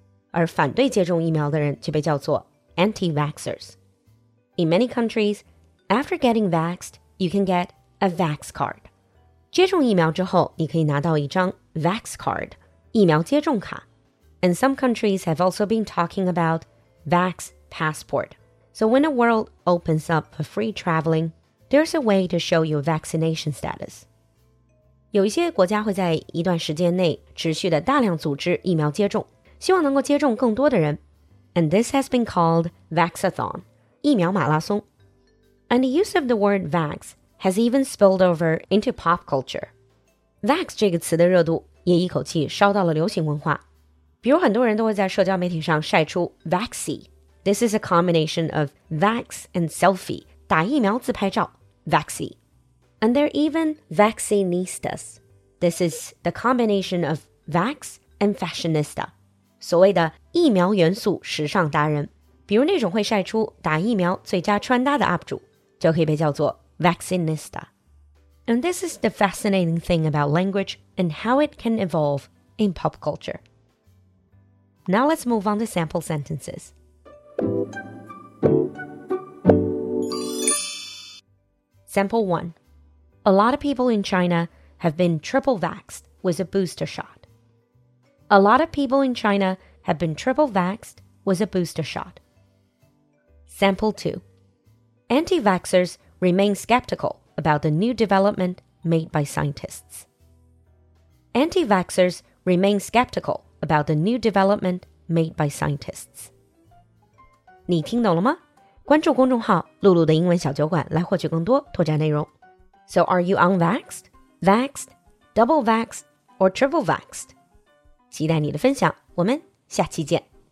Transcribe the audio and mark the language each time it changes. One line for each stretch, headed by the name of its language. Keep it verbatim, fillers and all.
Chinese: 而反对接种疫苗的人就被叫做 anti-vaxxers.
English: In many countries, after getting vaxxed, you can get a vax card.
Chinese: 接种疫苗之后，你可以拿到一张 vax card, 疫苗接种卡。
English: And some countries have also been talking about Vax Passport. So when the world opens up for free traveling, there's a way to show your vaccination status.
Chinese: 有一些国家会在一段时间内持续的大量组织疫苗接种，希望能够接种更多的人。
English: And this has been called Vaxathon,
Chinese: 疫苗马拉松。
English: And the use of the word vax has even spilled over into pop culture.
Chinese: Vax 这个词的热度也一口气烧到了流行文化。比如很多人都会在社交媒体上晒出 Vaxi.
English: This is a combination of vax and selfie,
Chinese: 打疫苗自拍照
English: Vaxi. And there are even Vaccinistas. This is the combination of vax and fashionista.
Chinese: 所谓的疫苗元素时尚达人，比如那种会晒出打疫苗最佳穿搭的 U P 主，就可以被叫做 Vaccinista.
English: And this is the fascinating thing about language and how it can evolve in pop culture. Now let's move on to sample sentences. Sample one. A lot of people in China have been triple vaxxed with a booster shot. A lot of people in China have been triple vaxxed with a booster shot. Sample two. Anti-vaxxers remain skeptical about the new development made by scientists. Anti-vaxxers remain skeptical about the new development made by scientists.
Chinese: 你听懂了吗？关注公众号“露露的英文小酒馆”来获取更多拓展内容。
English: So are you unvaxxed, vaxxed, double vaxxed, or triple vaxxed?
Chinese: 期待你的分享，我们下期见。